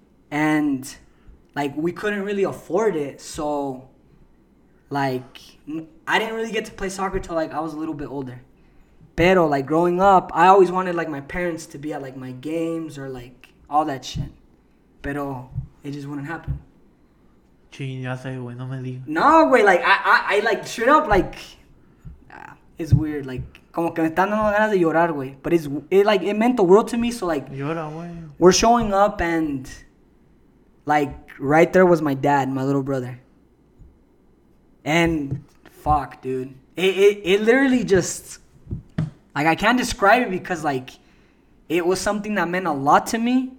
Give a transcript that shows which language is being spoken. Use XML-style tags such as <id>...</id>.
<en>And, like, we couldn't really afford it. So, like, I didn't really get to play soccer till like, I was a little bit older. Pero, like, growing up, I always wanted, like, my parents to be at, like, my games or, like, all that shit. Pero, it just wouldn't happen.</en> <es>Ching, ya sé, güey, no me digo.</es> <en>No, güey, like, I like, straight up, like, it's weird.</en> <es>Like, como que me están dando ganas de llorar, güey.</es> <en>But it meant the world to me, so, like,</en> <es>llora, güey.</es> <en>We're showing up and, like, right there was my dad, my little brother. And, fuck, dude. It literally just... Like, I can't describe it because, like, it was something that meant a lot to me.</en>